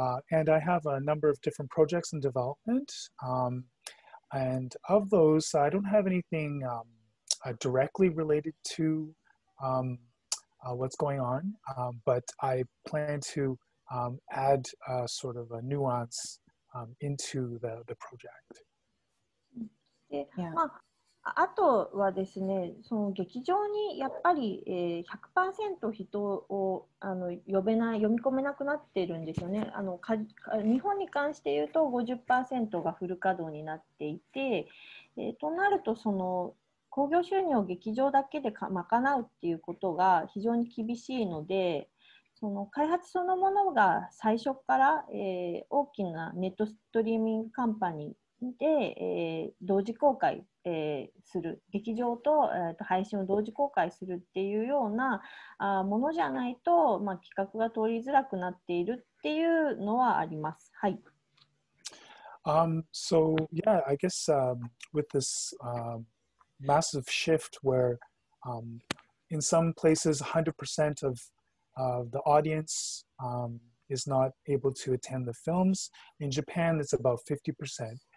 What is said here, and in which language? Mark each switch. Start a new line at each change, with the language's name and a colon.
English: And I have a number of different projects in development. And of those, I don't have anything directly related to what's going on. But I plan to add sort of a nuance into the project.
Japanese: あとはですね、その劇場にやっぱり、100% 人を呼べない、読み込めなくなっているんですよね。日本に関して言うと 50% がフル稼働になっていて、となるとその興行収入を劇場だけで賄うっていうことが非常に厳しいので、その開発そのものが最初から、大きなネットストリーミングカンパニーで、同時公開、する劇場 と、配信を同時公開するっていうようなものじゃないと、企画が通りづらくなっているっていうのはあります。はい。
English: So yeah, I guess with this massive shift where in some places 100% of the audience is not able to attend the films, in Japan it's about 50%.